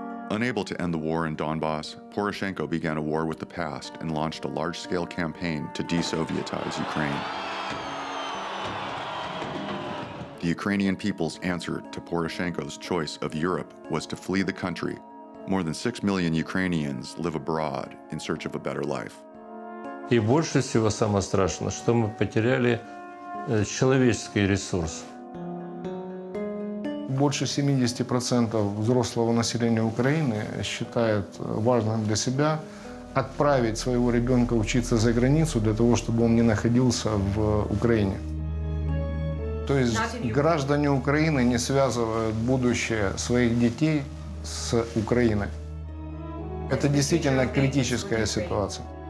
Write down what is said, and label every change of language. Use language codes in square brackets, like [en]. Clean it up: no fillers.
[en] Unable to end the war in Donbas, Poroshenko began a war with the past and launched a large-scale campaign to de-Sovietize Ukraine. The Ukrainian people's answer to Poroshenko's choice of Europe was to flee the country. More than 6 million Ukrainians live abroad in search of a better life. [uk] І більше всього саме страшне, що ми потеряли чоловічий ресурс. Більше 70% взрослого населення України вважає важливим для себе відправити свого дитину вчитися за границю для того, щоб він не знаходився в Україні. [ru] То есть граждане Украины не связывают будущее своих детей с Украиной. Это действительно критическая ситуация.